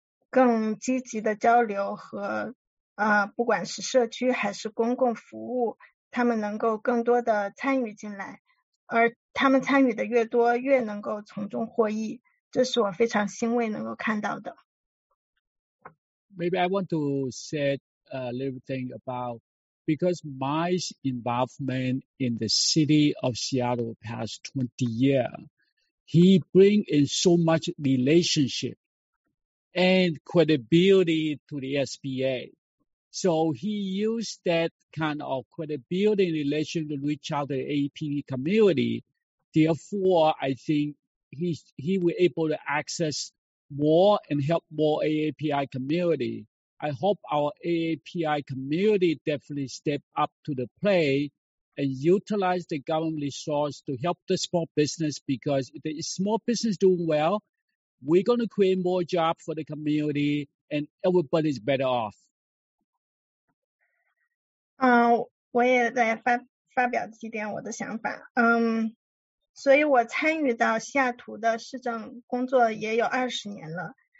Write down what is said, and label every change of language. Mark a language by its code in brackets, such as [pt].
[zh] 更积极的交流和不管是社区还是公共服务，他们能够更多的参与进来，而他们参与的越多，越能够从中获益，这是我非常欣慰能够看到的。 [en] Maybe I want to say a little thing about, because my involvement in the city of Seattle past 20 years, he bring in so much relationship and credibility to the SBA. So he used that kind of credibility in relation to reach out to the AAPB community. Therefore, I think he was able to access more and help more AAPI community. I hope our AAPI community definitely step up to the plate and utilize the government resource to help the small business, because if the small business doing well, we're going to create more jobs for the community and everybody's better off. [zh] 我也来发表几点我的想法。所以我参与到西雅图的市政工作也有20年了。